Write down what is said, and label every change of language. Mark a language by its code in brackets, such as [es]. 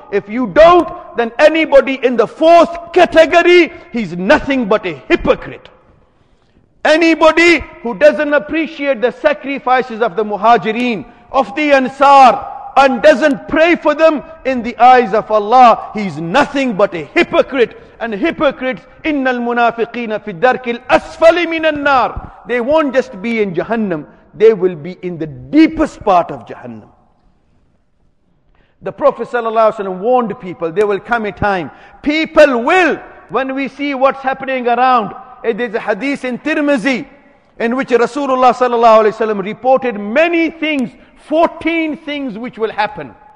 [en] If you don't, then anybody in the fourth category, he's nothing but a hypocrite. Anybody who doesn't appreciate the sacrifices of the Muhajireen, of the Ansar, and doesn't pray for them, in the eyes of Allah, he's nothing but a hypocrite. And hypocrites, [ar] إِنَّ الْمُنَافِقِينَ فِي الدَّرْكِ الْأَسْفَلِ مِنَ النَّارِ. [en] They won't just be in Jahannam, they will be in the deepest part of Jahannam. The Prophet sallallahu alaihi wasallam warned people, there will come a time, people will, when we see what's happening around. It is a hadith in Tirmizi, in which Rasulullah sallallahu alaihi wasallam reported many things, 14 things which will happen.